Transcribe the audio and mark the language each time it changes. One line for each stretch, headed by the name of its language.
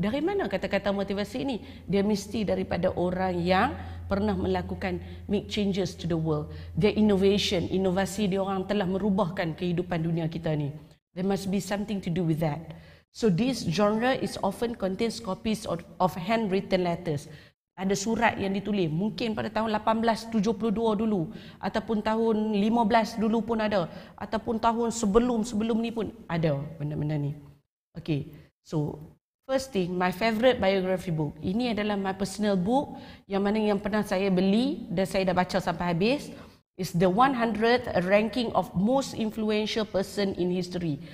Malay: Dari mana kata-kata motivasi ini? Dia mesti daripada orang yang pernah melakukan
English: make changes to the world. Their innovation,
Malay: inovasi dia orang telah merubahkan kehidupan dunia kita ni.
English: There must be something to do with that. So this genre is often contains copies of handwritten letters.
Malay: Ada surat yang ditulis, mungkin pada tahun 1872 dulu, ataupun tahun 15 dulu pun ada, ataupun tahun sebelum-sebelum ni pun ada benda-benda ni.
English: Okay, so first thing, my favorite biography book.
Malay: Ini adalah
English: my personal book,
Malay: yang mana yang pernah saya beli dan saya dah baca sampai habis.
English: It's the 100th ranking of most influential person in history.